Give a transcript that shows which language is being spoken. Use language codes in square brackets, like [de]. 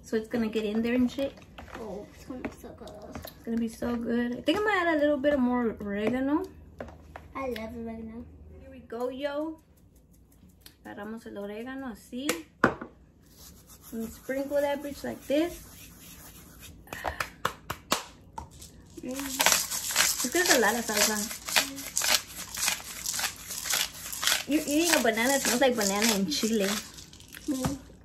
[en] So it's gonna get in there and shit. Oh, it's gonna be so good. It's gonna be so good. I think I'm gonna add a little bit more oregano. I love oregano. Here we go, yo. [es] Agarramos el oregano así. [en] And sprinkle that bitch like this. Mm. This is a lot of salsa. Mm. You're eating a banana. It smells like banana and chili. Mm.